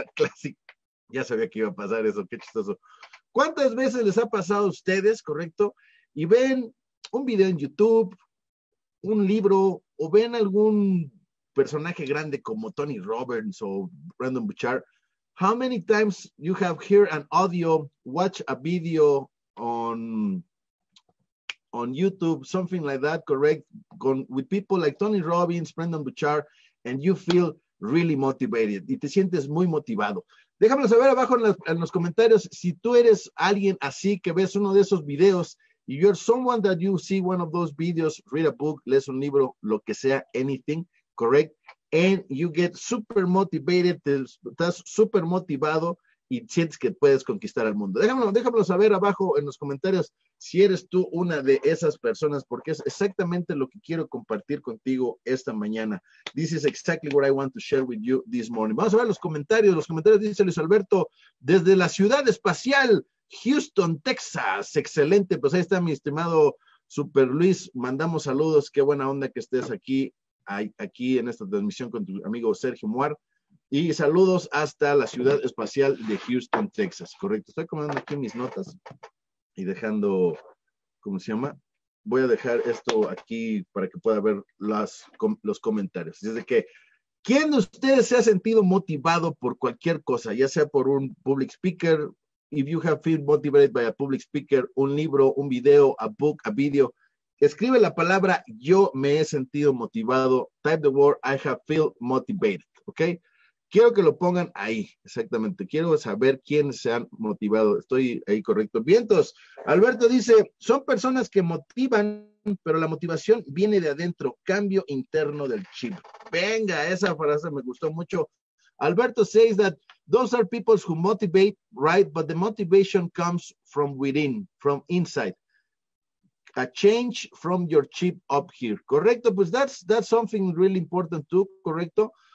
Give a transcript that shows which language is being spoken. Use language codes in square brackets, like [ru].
[es] Classic, ya sabía que iba a pasar eso, qué chistoso. ¿Cuántas veces les ha pasado a ustedes, correcto? Y ven un video en YouTube, un libro, o ven algún personaje grande como Tony Robbins o Brandon Bouchard. [en] How many times you have heard an audio, watch a video on YouTube, something like that, correct? With people like Tony Robbins, Brandon Bouchard, and you feel really motivated. [es] Y te sientes muy motivado. Déjamelo saber abajo en los comentarios si tú eres alguien así que ves uno de esos videos. [en] If you're someone that you see one of those videos, read a book, [es] lees un libro, lo que sea, [en] anything, correct? And you get super motivated, [es] estás super motivado y sientes que puedes conquistar el mundo. Déjamelo saber abajo en los comentarios si eres tú una de esas personas, porque es exactamente lo que quiero compartir contigo esta mañana. [en] This is exactly what I want to share with you this morning. [es] Vamos a ver los comentarios. Los comentarios dice Luis Alberto, desde la ciudad espacial, Houston, Texas. Excelente. Pues ahí está mi estimado Super Luis. Mandamos saludos. Qué buena onda que estés aquí. Aquí en esta transmisión con tu amigo Sergio Muar, y saludos hasta la ciudad espacial de Houston, Texas, correcto, estoy comiendo aquí mis notas y dejando, ¿cómo se llama? Voy a dejar esto aquí para que pueda ver los comentarios, desde que ¿Quién de ustedes se ha sentido motivado por cualquier cosa, ya sea por un public speaker? [en] If you have been motivated by a public speaker, [es] un libro, un video, [en] a book, a video, [es] escribe la palabra yo me he sentido motivado. [en] Type the word I have feel motivated, ¿ok? [es] Quiero que lo pongan ahí, exactamente. Quiero saber quién se han motivado. Estoy ahí correcto. Vientos, Alberto dice, son personas que motivan, pero la motivación viene de adentro, cambio interno del chip. Venga, esa frase me gustó mucho. [en] Alberto says that those are people who motivate, right? But the motivation comes from within, from inside. A change from your chip up here. [es] Correcto, pues [en] that's something really important too, correcto.